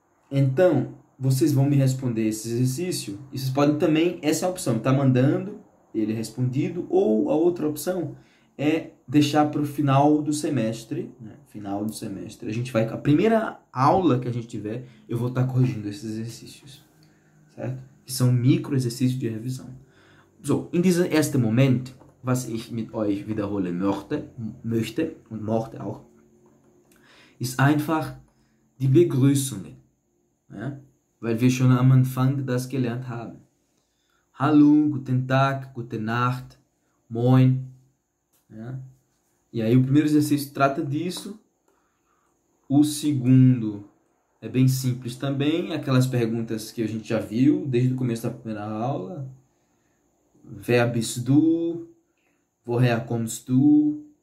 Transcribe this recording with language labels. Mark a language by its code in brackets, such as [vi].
[pt] Então, vocês vão me responder esse exercício. E vocês podem também, essa é a opção, tá mandando ele respondido, ou a outra opção é deixar para o final do semestre, né? Final do semestre. A primeira aula que a gente tiver, eu vou estar corrigindo esses exercícios, certo? Que são micro exercícios de revisão. [de] So, in diesem ersten Moment, was ich mit euch wiederholen möchte und möchte auch, ist einfach die Begrüßungen. Ja? Weil wir schon am Anfang das gelernt haben. Hallo, guten Tag, gute Nacht, moin. Ja? [pt] E aí o primeiro exercício trata disso. O segundo é bem simples também, aquelas perguntas que a gente já viu desde o começo da primeira aula. [de] Wer bist du? Woher kommst du?